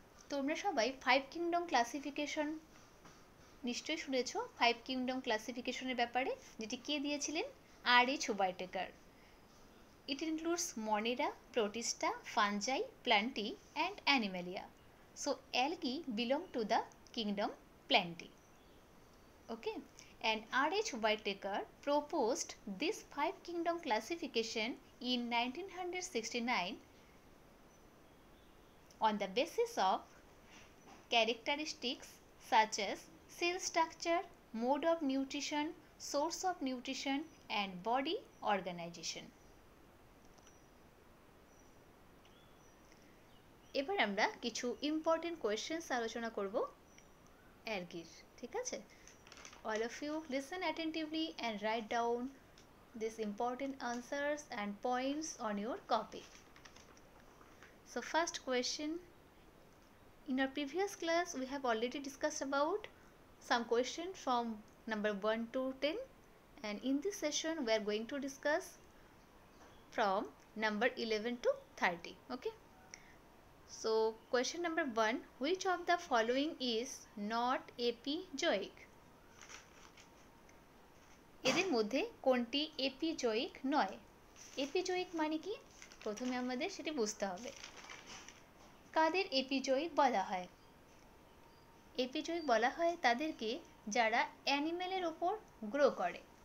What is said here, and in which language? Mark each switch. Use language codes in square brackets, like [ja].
[bn] তোমরা সবাই five kingdom classification নিশ্চয়ই শুনেছ, ফাইভ কিংডম ক্লাসিফিকেশনের ব্যাপারে, যেটি কে দিয়েছিলেন? [en] R H Whittaker. It includes Monera, Protista, Fungi, Plantae and Animalia. So algae belong to the kingdom Plantae. Okay, and R H Whittaker proposed this five kingdom classification in 1969 on the basis of characteristics such as cell structure, mode of nutrition, source of nutrition and body organization. [bn] এবার আমরা কিছু important questions আলোচনা করব অ্যালগির, ঠিক আছে? [en] All of you listen attentively and write down this important answers and points on your copy. So first question, in our previous class we have already discussed about some question from number 1 to 10 and in this session we are going to discuss from number 11 to 30. Okay, so question number 1, which of the following is not epizooic? [bn] এদের মধ্যে কোনটি epizooic নয়? epizooic মানে কি প্রথমে আমাদের সেটি বুঝতে হবে। কাদের এপিজোয়িক বলা হয়? এপিজোয়িক বলা হয় তাদেরকে যারা অ্যানিমেলের ওপর গ্রো করে।